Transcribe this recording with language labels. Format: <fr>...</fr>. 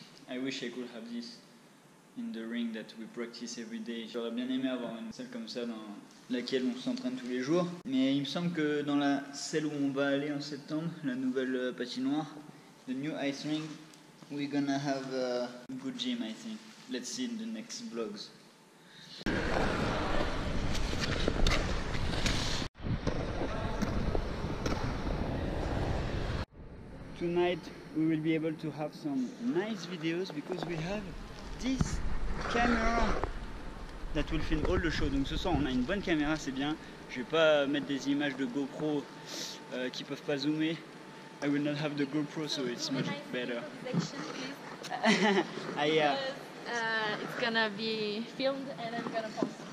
<en>I wish I could have this in the ring that we practice every day.</en> <fr>J'aurais bien aimé avoir une salle comme ça dans laquelle on s'entraîne tous les jours. Mais il me semble que dans la salle où on va aller en septembre, la nouvelle patinoire,</fr> <en>the new ice rink, we're gonna have a good gym, I think. Let's see in the next vlogs. Tonight we will be able to have some nice videos because we have this camera that will film all the show.</en> <fr>Donc ce soir on a une bonne caméra, c'est bien. Je vais pas mettre des images de GoPro qui peuvent pas zoomer.</fr> <en>I will not have the GoPro, so it's much better. Ah yeah. It's gonna be filmed and I'm gonna post.</en>